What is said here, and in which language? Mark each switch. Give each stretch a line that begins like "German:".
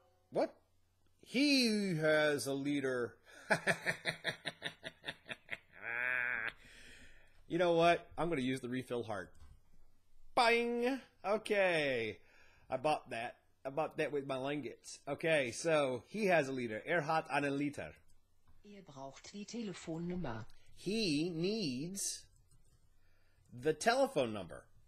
English: What? He has a liter. You know what? I'm going to use the refill heart. Bang! Okay. I bought that with my Langits. Okay, so he has a liter.
German: Hat einen Liter. Braucht die Telefonnummer.
English: He needs the telephone number.